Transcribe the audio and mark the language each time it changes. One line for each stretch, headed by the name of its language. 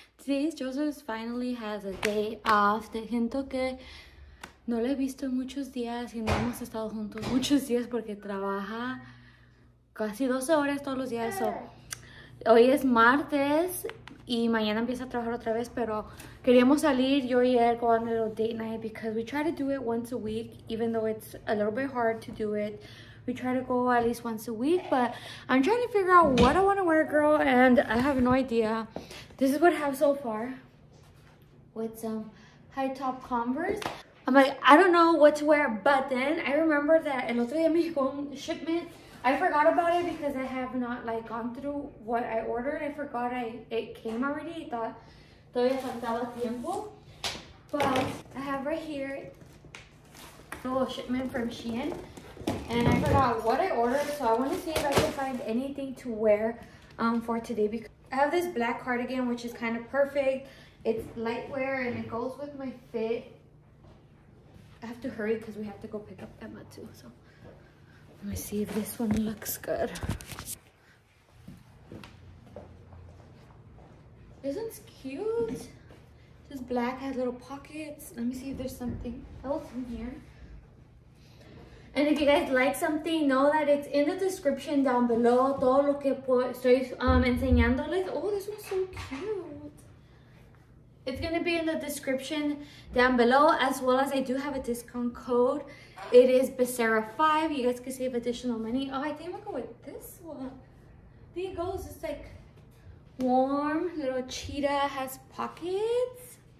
English: Today, Joseph finally has a day off.
Spanish: Te siento que no le he visto en muchos días y no hemos estado juntos muchos días porque trabaja casi 12 horas todos los días. So, hoy es martes y mañana empieza a trabajar otra vez, pero queríamos salir yo y él,
English: go on a little date night because we try to do it once a week, even though it's a little bit hard to do it. We try to go at least once a week, but I'm trying to figure out what I want to wear, girl, and I have no idea. This is what I have so far with some high top Converse. I'm like, I don't know what to wear, but then I remember that
Spanish: el otro día me llegó un
English: shipment. I forgot about it because I have not like gone through what I ordered. I forgot it came already. I thought
Spanish: todavía faltaba tiempo.
English: But I have right here a little shipment from Shein. And I forgot what I ordered, so I want to see if I can find anything to wear for today. Because I have this black cardigan, which is kind of perfect. It's light wear and it goes with my fit. I have to hurry because we have to go pick up Emma too. So let me see if this one looks good. This one's cute. This black has little pockets. Let me see if there's something else in here. And if you guys like something, know that it's in the description down below.
Spanish: Todo lo que estoy enseñándoles.
English: Oh, this one's so cute. It's going to be in the description down below, as well as I do have a discount code. It is Becerra5. You guys can save additional money. Oh, I think I'm going to go with this one. There it goes. It's like warm. Little cheetah has pockets.